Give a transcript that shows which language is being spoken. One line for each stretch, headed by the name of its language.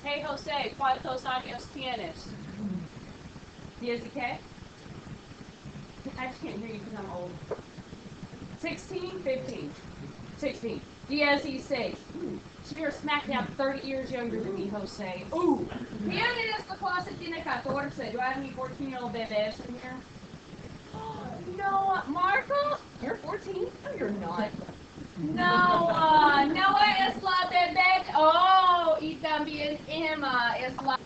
Spanish: Hey, Jose, ¿cuántos años tienes? ¿Tienes de qué?
English: I just can't hear you because I'm old. 16? 15. 16. Diaz, he's safe. You're smack down 30 years younger than me, Jose. Ooh!
Spanish: ¿Quién en esta clase tiene 14?
English: Do I have any 14-year-old bebés in here? No, Marco? You're 14? No, you're not.
Spanish: No, Noah es la bebé. Oh, y también Emma es la...